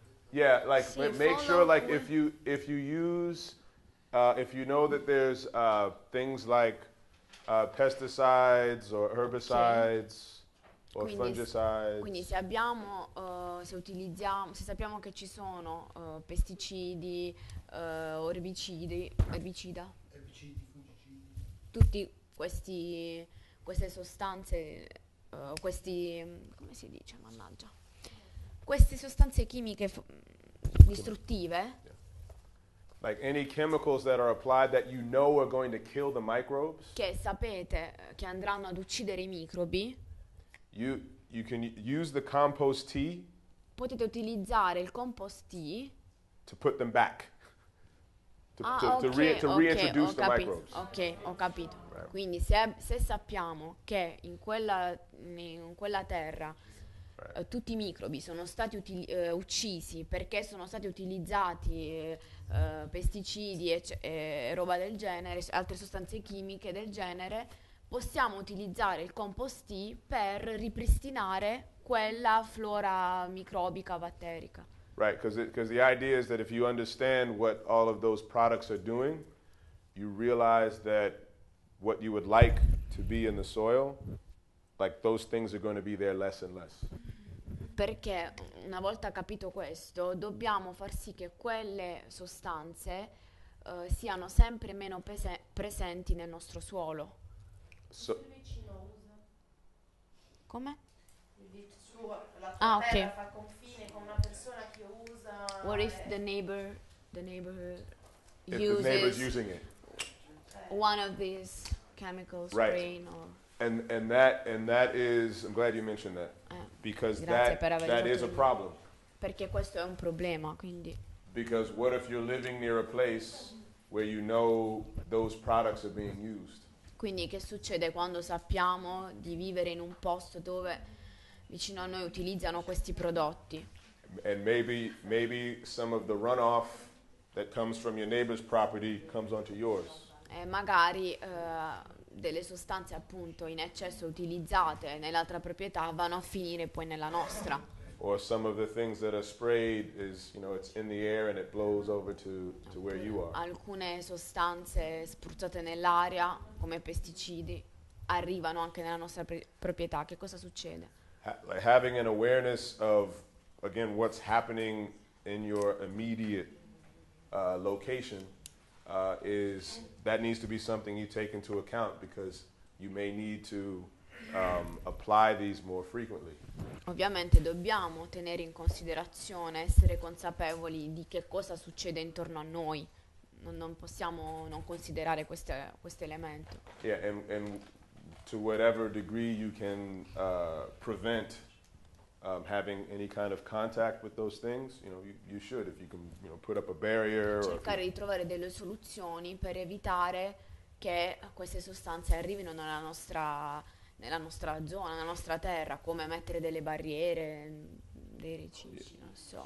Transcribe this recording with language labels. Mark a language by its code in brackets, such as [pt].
[en] Yeah, like sì, make sure like if you use if you know that there's things like pesticides or herbicides or fungicides. [it] Quindi se abbiamo se utilizziamo se sappiamo che ci sono pesticidi, erbicidi, fungicidi. Tutti queste sostanze questi come si dice, mannaggia. Queste sostanze chimiche distruttive. [en] Like any chemicals that are applied that you know are going to kill the microbes. [it] Che sapete che andranno ad uccidere i microbi. [en] You can use the compost tea. [it] Potete utilizzare il compost tea. [en] To put them back. To reintroduce the microbes. [it] Ok, ho capito. [en] Right. [it] Quindi se sappiamo che in quella terra tutti i microbi sono stati uccisi perché sono stati utilizzati pesticidi e roba del genere, altre sostanze chimiche del genere, possiamo utilizzare il compost tea per ripristinare quella flora microbica batterica. [en] Right, because the idea is that if you understand what all of those products are doing, you realize that what you would like to be in the soil, like those things are going to be there less and less. [it] Perché una volta capito questo, dobbiamo far sì che quelle sostanze siano sempre meno presenti nel nostro suolo. So il vicino usa. Come? La tua terra fa confine con una persona che usa. [en] What if the neighbor if uses the neighbor's using it. One of these chemicals, right. Brain or And that is, I'm glad you mentioned that, because that is a problem. [it] Perché questo è un problema, quindi. [en] Because what if you're living near a place where you know those products are being used? [it] Quindi che succede quando sappiamo di vivere in un posto dove vicino a noi utilizzano questi prodotti? [en] And maybe some of the runoff that comes from your neighbor's property comes onto yours. [it] E magari delle sostanze appunto in eccesso utilizzate nell'altra proprietà vanno a finire poi nella nostra. [en] Or some of the things that are sprayed is, you know, it's in the air and it blows over to where you are. [it] Alcune sostanze spruzzate nell'aria come pesticidi arrivano anche nella nostra proprietà. Che cosa succede? [en] Having an awareness of again what's happening in your immediate location is that needs to be something you take into account because you may need to apply these more frequently. [it] Ovviamente dobbiamo tenere in considerazione, essere consapevoli di che cosa succede intorno a noi. Non possiamo non considerare questo elemento. [en] Yeah, and to whatever degree you can prevent having any kind of contact with those things, you know, you should, if you can, you know, put up a barrier. [it] Cercare di trovare delle soluzioni per evitare che queste sostanze arrivino nella nostra nella nostra zona, nella nostra terra, come mettere delle barriere, dei recinti, non so.